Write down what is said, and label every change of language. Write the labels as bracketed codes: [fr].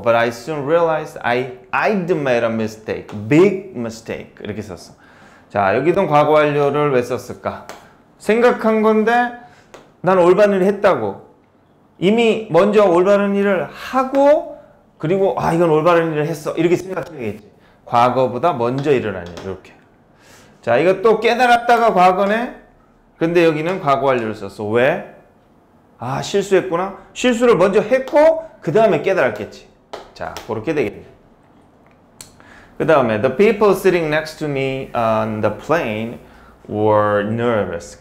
[en] But I soon realized I'd made a mistake. Big mistake. 이렇게 썼어. [ko] 자, 여기도 과거 완료를 왜 썼을까? 생각한 건데 난 올바른 일을 했다고. 이미 먼저 올바른 일을 하고 그리고 아, 이건 올바른 일을 했어. 이렇게 생각해야겠지. 과거보다 먼저 일어난 일. 이렇게. 자, 이것도 깨달았다가 과거네. 근데 여기는 과거 완료를 썼어. 왜? 아, 실수했구나. 실수를 먼저 했고 그 다음에 깨달았겠지. 자, 그렇게 되겠네. 그 다음에 [en] The people sitting next to me on the plane were nervous.